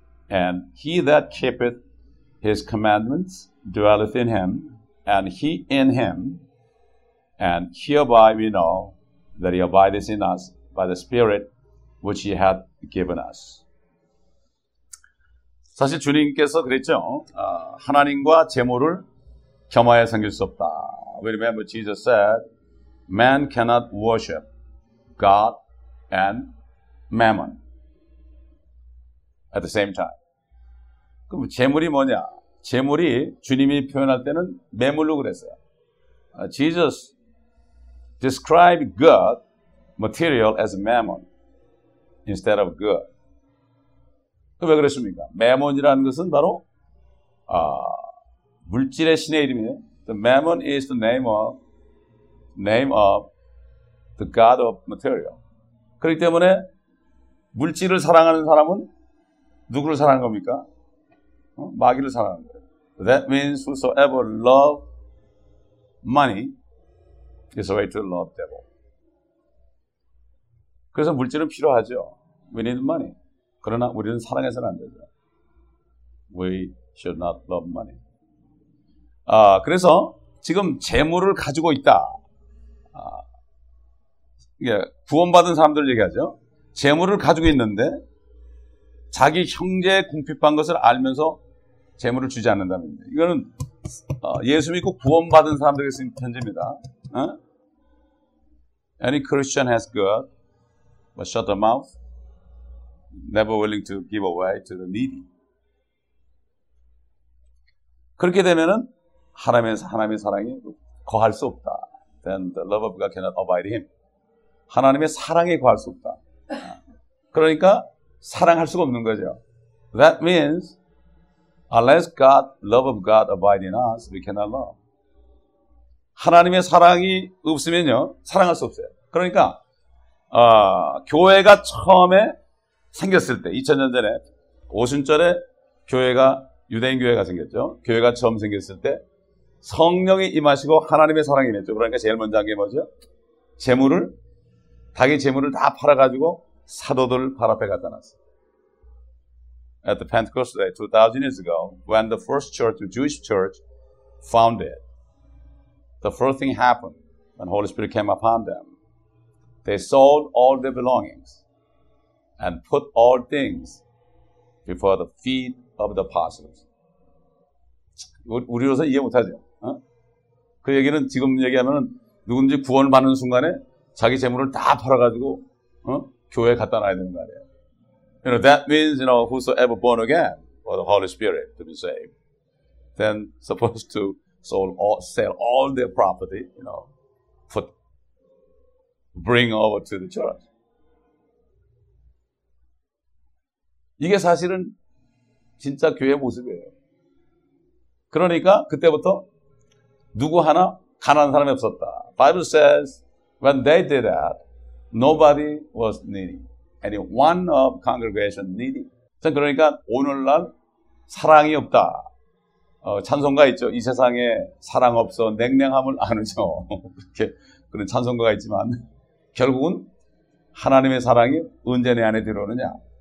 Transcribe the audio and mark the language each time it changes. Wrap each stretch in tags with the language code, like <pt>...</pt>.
<en>And he that keepeth his commandments dwelleth in him, and he in him. And hereby we know that he abideth in us by the Spirit which he hath given us.</en> <ko>사실 주님께서 그랬죠. 하나님과 재물을 겸하여 섬길 수 없다.</ko> <en>We remember Jesus said, Man cannot worship God and mammon at the same time.</en> <ko>그럼 재물이 뭐냐? 재물이 주님이 표현할 때는 매물로 그랬어요.</ko> <en>Jesus described God material as mammon instead of God.</en> <ko>그럼 왜 그랬습니까? 매몬이라는 것은 바로 물질의 신의 이름이에요.</ko> <en>The mammon is the name of the god of material.</en> <ko>그렇기 때문에 물질을 사랑하는 사람은 누구를 사랑하는 겁니까? 마귀를 사랑하는 거예요.</ko> <en>That means whosoever love money is a way to love devil.</en> <ko>그래서 물질은 필요하죠.</ko> <en>We need money.</en> <ko>그러나 우리는 사랑해서는 안 되죠.</ko> <en>We should not love money.</en> <ko>그래서 지금 재물을 가지고 있다. 이게 구원받은 사람들 얘기하죠. 재물을 가지고 있는데 자기 형제의 궁핍한 것을 알면서 재물을 주지 않는다면 이거는 예수 믿고 구원받은 사람들에게 쓴 편지입니다.</ko> <en>Any Christian has good but shut the mouth, never willing to give away to the needy.</en> <ko>그렇게 되면은 하나님의 사랑이 거할 수 없다.</ko> <en>Then the love of God cannot abide him.</en> <ko>하나님의 사랑에 거할 수 없다. 그러니까 사랑할 수가 없는 거죠.</ko> <en>That means unless God, love of God abide in us, we cannot love.</en> <ko>하나님의 사랑이 없으면요, 사랑할 수 없어요. 그러니까 교회가 처음에 생겼을 때, 2000년 전에 오순절에 교회가 유대인 교회가 생겼죠. 교회가 처음 생겼을 때 성령이 임하시고 하나님의 사랑이 임했죠. 그러니까 제일 먼저 한 게 뭐죠? 재물을, 자기 재물을 다 팔아가지고 사도들 발 앞에 갖다 놨어요.</ko> <en>At the Pentecost day, 2000 years ago, when the first church, the Jewish church, founded, the first thing happened when Holy Spirit came upon them. They sold all their belongings and put all things before the feet of the apostles.</en> <ko>우리로서 이해 못하죠. 어? 그 얘기는 지금 얘기하면 누군지 구원을 받는 순간에 자기 재물을 다 팔아가지고 교회 갖다 놔야 되는 말이에요.</ko> <en>You know, that means, you know, whosoever born again for the Holy Spirit to be saved, then supposed to sell all their property, you know, bring over to the church.</en> <ko>이게 사실은 진짜 교회 모습이에요. 그러니까 그때부터 누구 하나 가난한 사람이 없었다.</ko> <en>Bible says, when they did that, nobody was needy. Any one of congregation needy.</en> <ko>자, 그러니까 오늘날 사랑이 없다. 찬송가 있죠. 이 세상에 사랑 없어 냉랭함을 아느죠. 그렇게 그런 찬송가가 있지만 결국은 하나님의 사랑이 언제 내 안에 들어오느냐.</ko>